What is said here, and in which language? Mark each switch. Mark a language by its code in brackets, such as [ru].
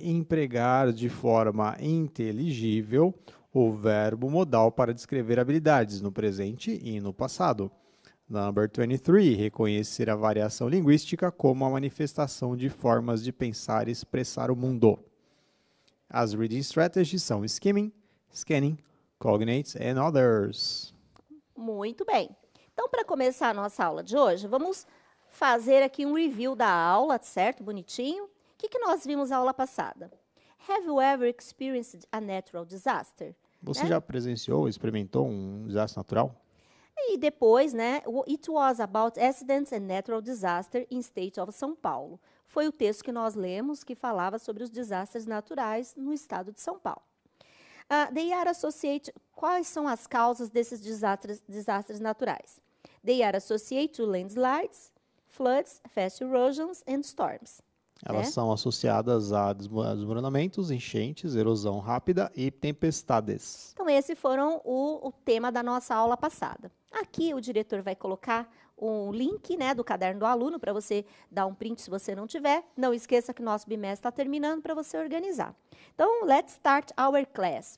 [pt] Empregar de forma inteligível o verbo modal para descrever habilidades no presente e no passado. [en] Number 23, [pt] reconhecer a variação linguística como a manifestação de formas de pensar e expressar o mundo. [en] As reading strategies são skimming, scanning, cognates and others. [pt] Muito bem. Então, para começar a nossa aula de hoje, vamos fazer aqui um review da aula, certo? Bonitinho. O que, que nós vimos na aula passada? [en] Have you ever experienced a natural disaster? [pt] Você já presenciou, experimentou um desastre natural? E depois, né? [en] It was about accidents and natural disaster in state of São Paulo. [pt] Foi o texto que nós lemos que falava sobre os desastres naturais no estado de São Paulo. [en] They are associated. [pt] Quais são as causas desses desastres naturais? [en] They are associated to landslides, floods, fast erosions and storms. [pt] Elas são associadas a desmoronamentos, enchentes, erosão rápida e tempestades. Então, esse foram o tema da nossa aula passada. Aqui o diretor vai colocar um link, né, do caderno do aluno para você dar um print se você não tiver. Não esqueça que nosso bimestre está terminando para você organizar. Então, [en] let's start our class.